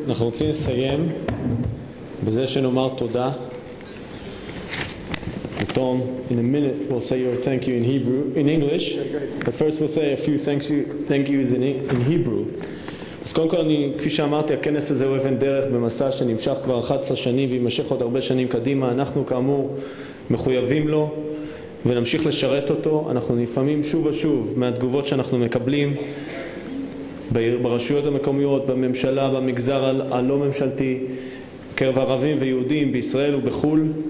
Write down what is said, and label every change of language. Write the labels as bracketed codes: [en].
[he] אנחנו רוצים לסיים בזה שנאמר תודה. [en] Tom, in a minute, we'll say your thank you in Hebrew, in English. But first, we'll say a few thank yous in Hebrew. [he] אז קודם כל, כפי שאמרתי, הכנס הזה הוא אבן דרך במסע שנמשך כבר 11 שנים וימשך עוד הרבה שנים קדימה. אנחנו כאמור מחויבים לו ונמשיך לשרת אותו. אנחנו נפעמים שוב ושוב מהתגובות שאנחנו מקבלים ברשויות המקומיות, בממשלה, במגזר הלא ממשלתי, קרב ערבים ויהודים בישראל ובחול.